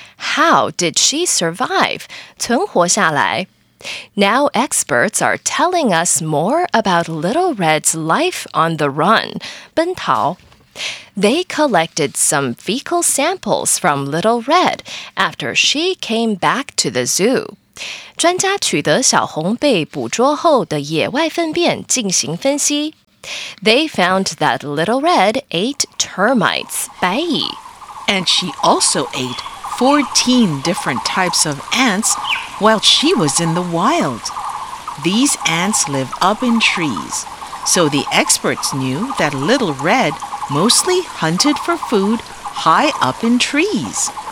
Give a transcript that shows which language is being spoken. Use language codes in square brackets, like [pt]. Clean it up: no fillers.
[en] How did she survive? [zh] 存活下来. [en] Now experts are telling us more about Little Red's life on the run, 奔逃. They collected some fecal samples from Little Red after she came back to the zoo. [zh] 专家取得小红被捕捉后的野外粪便进行分析。 [en] They found that Little Red ate termites, 白蚁。 And she also ate 14 different types of ants while she was in the wild. These ants live up in trees, so the experts knew that Little RedMostly hunted for food high up in trees.